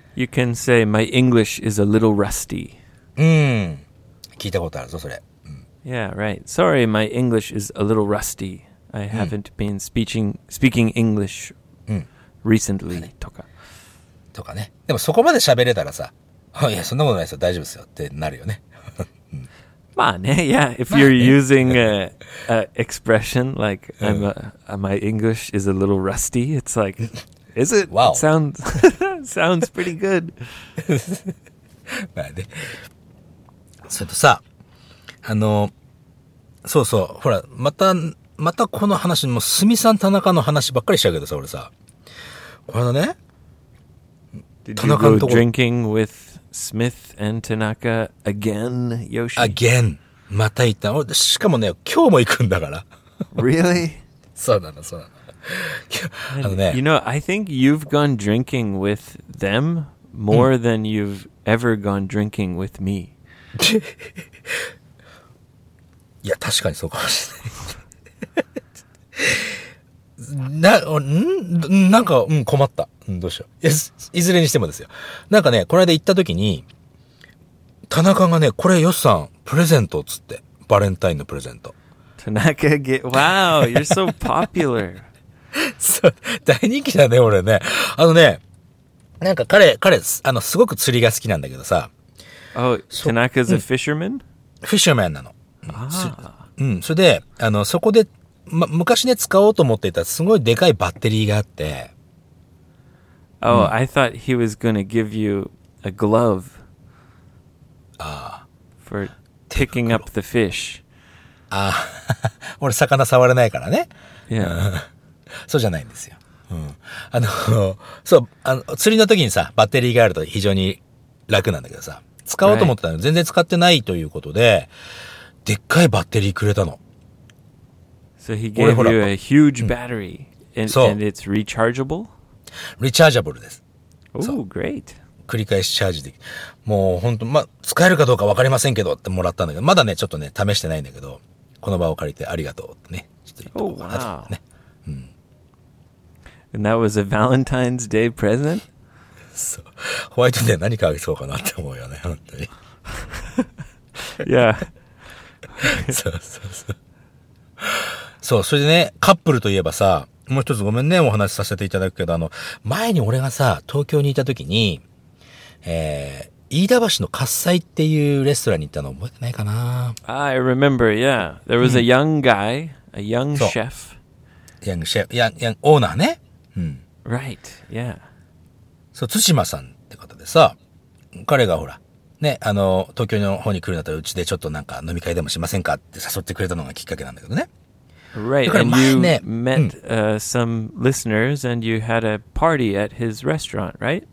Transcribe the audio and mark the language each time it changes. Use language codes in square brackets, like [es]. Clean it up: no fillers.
[en] You can say, my English is a little rusty. [ja] うん。聞いたことあるぞそれ、うん、 [en] Yeah, right. Sorry, my English is a little rusty. I haven't been speaking English [ja] recently、ね、とか。とかね。でもそこまで喋れたらさ、いや、そんなことないですよ、大丈夫ですよってなるよね。まあね、 [en] yeah, if you're using an expression like, my English is a little rusty, it's like, is it? Wow. It sounds pretty good. [ja] まあね。それとさ、そうそう、ほら、またこの話にも、すみさん田中の話ばっかりしちゃうけどさ、俺さ、これだね、 [en] Did you go drinking with Smith and Tanaka again, Yoshi? Again. [ja] また行った。しかもね、今日も行くんだから。 [en] Really? [ja] そうなの、そうなの。あのね。 [en] You know, I think you've gone drinking with them more than you've ever gone drinking with me. [ja] いや、確かにそうかもしれない。なんか困った。どうしよう。いずれにしてもですよ。なんかね、この間行った時に、田中がね、これ、ヨシさん、プレゼントっつって。バレンタインのプレゼント。田中が、 [en] wow, you're so popular. [ja] そう、大人気だね、俺ね。あのね、なんか彼、すごく釣りが好きなんだけどさ。 [en] Oh, Tanaka's a fisherman?、う [ja] ん、フィッシャーマンなの、 ah. うん。それで、そこで、ま、昔ね、使おうと思っていた、すごいでかいバッテリーがあって。 [en] Oh,、うん、I thought he was gonna give you a glove. [ja] ああ。 [en] for picking up the fish. [ja] ああ。俺、魚触れないからね。 [en] Yeah. [ja] そうじゃないんですよ。うん。そう、釣りの時にさ、バッテリーがあると非常に楽なんだけどさ、使おうと思ってたの、全然使ってないということで、でっかいバッテリーくれたの。 [en] So he gave you a huge battery、うん、and it's rechargeable? [ja] Rechargeable です。 [en] Oh, great. [ja] 繰り返しチャージできる。もう本当、ま、使えるかどうか分かりませんけどってもらったんだけど、まだね、ちょっとね、試してないんだけど、この場を借りてありがとうってね、ちょっと言っておこうかなと。 [en] And that was a Valentine's Day present? [ja] そう。ホワイトデー何かあげそうかなって思うよね、本当に。 [en] yeah. [ja] そうそうそう。そう、それでね、カップルといえばさ、もう一つごめんね、お話しさせていただくけど、前に俺がさ、東京にいた時に、飯田橋の喝采っていうレストランに行ったの覚えてないかな [en] ?I remember, yeah. There was a young guy,、うん、a young chef. Young chef, young, [ja] オーナーね。うん。 [en] Right, yeah. [ja] そう、津島さんって方でさ、彼がほら、ね、東京の方に来るんだったら、うちでちょっとなんか飲み会でもしませんかって誘ってくれたのがきっかけなんだけどね。 [en] Right, and you met、some listeners and you had a party at his restaurant, right?